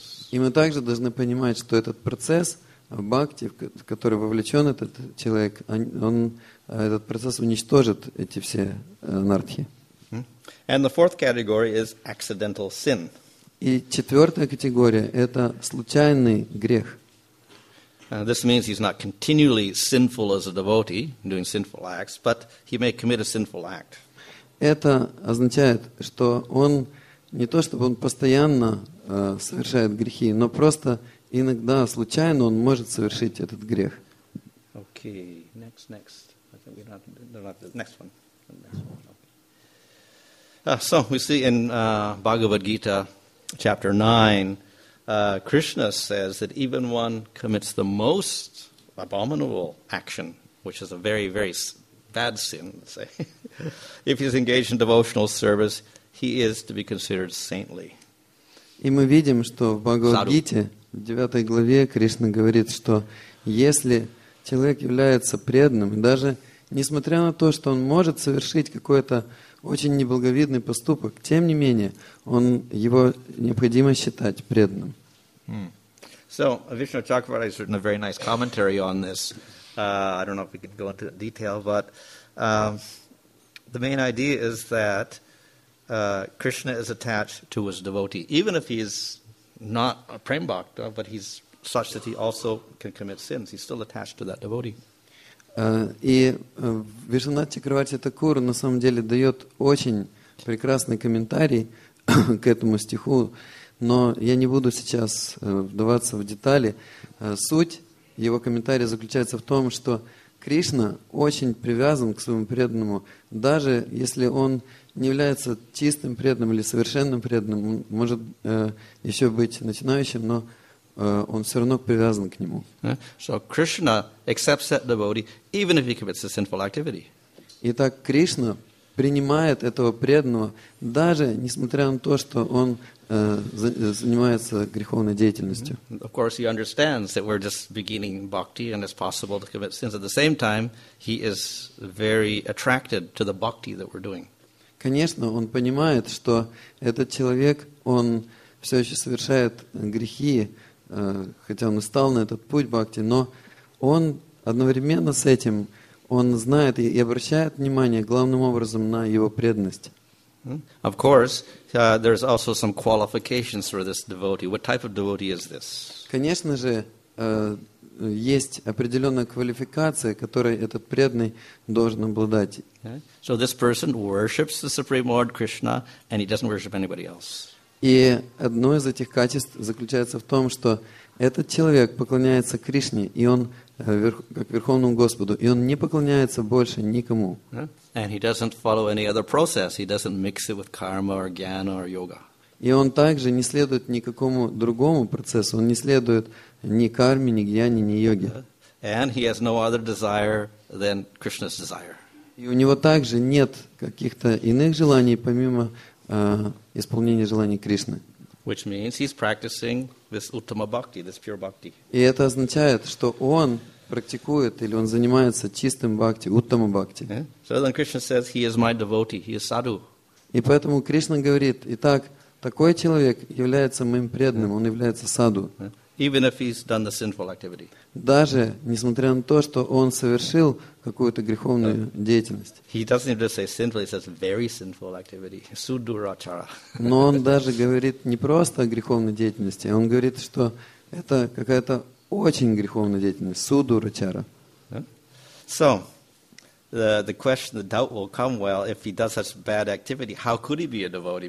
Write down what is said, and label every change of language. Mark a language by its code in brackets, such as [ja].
[ru] И мы также должны понимать, что этот процесс бхакти, в который вовлечен этот человек, он этот процесс уничтожит эти все анартхи. [en] And the fourth category is accidental sin. [ru] И четвертая категория – это случайный грех. [en] This means he's not continually sinful as a devotee, doing sinful acts, but he may commit a sinful act. [ru] Это означает, что он не то, чтобы он постоянно совершает грехи, но просто иногда случайно он может совершить этот грех. [en] Okay, next. I think we're not, next one. So we see in Bhagavad Gita, chapter 9, Krishna says that even one commits the most abominable action, which is a very, very bad sin, let's say, if he's engaged in devotional service, he is to be considered saintly. [ru] И мы видим, что в Бхагавад Гите, в 9 главе, Кришна говорит, что если человек является преданным, даже несмотря на то, что он может совершить какое-то очень неблаговидный поступок, тем не менее, он его необходимо считать преданным. [en] So, Vishnu Chakravarti has written a very nice commentary on this. I don't know if we can go into detail, but the main idea is that Krishna is attached to his devotee, even if he's not a prem bhakta, but he's such that he also can commit sins. He's still attached to that devotee. [ru] И Вишванат Чакраварти Такур на самом деле дает очень прекрасный комментарий к этому стиху, но я не буду сейчас вдаваться в детали. Суть его комментария заключается в том, что Кришна очень привязан к своему преданному, даже если он не является чистым преданным или совершенным преданным, может еще быть начинающим, но он все равно привязан к нему. [en] So Krishna accepts that devotee, even if he commits a sinful activity. [ru] Итак, Кришна принимает этого преданного, даже несмотря на то, что он занимается греховной деятельностью. [en] Of course, he understands that we're just beginning bhakti, and it's possible to commit sins. At the same time, he is very attracted to the bhakti that we're doing. [ru] Конечно, он понимает, что этот человек, он все еще совершает грехи, хотя он и стал на этот путь бхакти, но он одновременно с этим, он знает и обращает внимание главным образом на его преданность. Конечно же, есть определенная квалификация, которой этот преданный должен обладать. [en] So this person worships the Supreme Lord Krishna, and he doesn't worship anybody else. [ru] И одно из этих качеств заключается в том, что Этот человек поклоняется Кришне, и он как Верховному Господу, и он не поклоняется больше никому. [en] And he doesn't follow any other process. He doesn't mix it with karma or jnana or yoga. [ru] И он также не следует никакому другому процессу. Он не следует ни карме, ни гьяне, ни йоге. [en] And he has no other desire than Krishna's desire. [ru] И у него также нет каких-то иных желаний, помимо исполнения желаний Кришны. [en] Which means he's practicing this uttama bhakti, this pure bhakti. [ru] И это означает, что он практикует или он занимается чистым бхакти, уттама бхакти. [en] So then Krishna says, he is my devotee, he is sadhu. [ru] И поэтому Кришна говорит, итак, такой человек является моим преданным, он является саду. [en] Even if he's done the sinful activity. [ru] Даже несмотря на то, что он совершил какую-то греховную деятельность. [en] He doesn't even say sinful, he says very sinful activity. Sudurachara. [ru] Но он даже говорит не просто о греховной деятельности, он говорит, что это какая-то очень греховная деятельность. [sa] Sudurachara. [en] So, the question, the doubt will come, well, if he does such bad activity, how could he be a devotee?